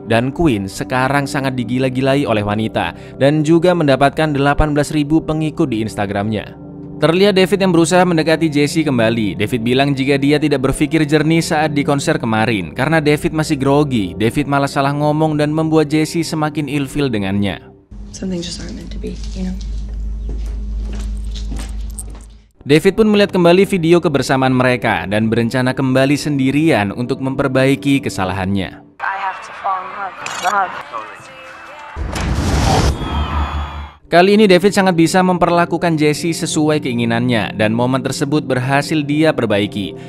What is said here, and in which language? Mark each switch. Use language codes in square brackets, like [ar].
[id] Dan Quinn sekarang sangat digila-gilai oleh wanita dan juga mendapatkan 18.000 pengikut di Instagramnya. Terlihat David yang berusaha mendekati Jesse kembali. David bilang jika dia tidak berpikir jernih saat di konser kemarin. Karena David masih grogi, David malah salah ngomong dan membuat Jesse semakin ilfeel dengannya. [en] Something just aren't meant to be, you know? [id] David pun melihat kembali video kebersamaan mereka dan berencana kembali sendirian untuk memperbaiki kesalahannya. [en] I have to fall in love. [id] Kali ini David sangat bisa memperlakukan Jesse sesuai keinginannya dan momen tersebut berhasil dia perbaiki.